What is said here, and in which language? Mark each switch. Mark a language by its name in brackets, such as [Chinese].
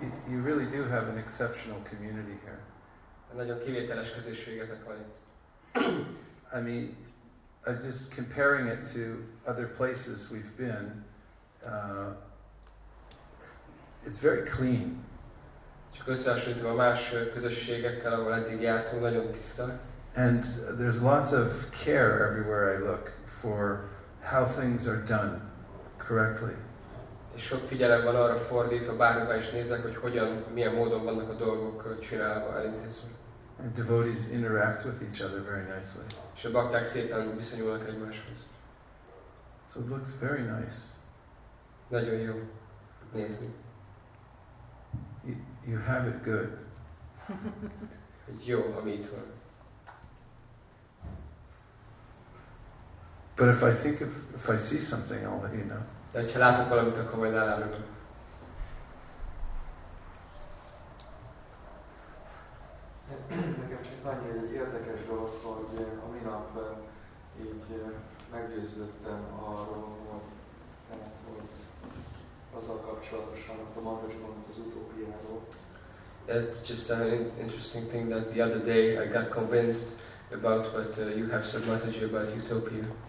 [English] You really do have an exceptional community here. [Hungarian] Nagyon kivételes közösségetek van itt. [English] I mean, just comparing it to other places we've been, it's very clean. [Hungarian] Csak összehasonlítva más közösségekkel, ahol eddig jártunk, nagyon tiszta. [English] And there's lots of care everywhere I look for how things are done correctly. [Hungarian] És sok figyelem van arra fordítva, bárhova is nézek, hogy hogyan, milyen módon vannak a dolgok csinálva, elintézve. [English] And devotees interact with each other very nicely. [Hungarian] És a bakták szépen viszonyulnak egymáshoz. [English] So it looks very nice. [Hungarian] Nagyon jó nézni. [English] You have it good. [Hungarian] Jó, ami itt van. [English] But if I think of, if I see something, I'll let you know. [Hungarian] De ha látok valamit, akkor majd elárulom. Nekem csak annyi egy érdekes dolog, hogy a minap így meggyőződtem arról, hogy azzal kapcsolatosan, hogy a mantrasmanat az utópiáról. [English] It's just an interesting thing that the other day I got convinced about what you have said, Mataji, about utopia.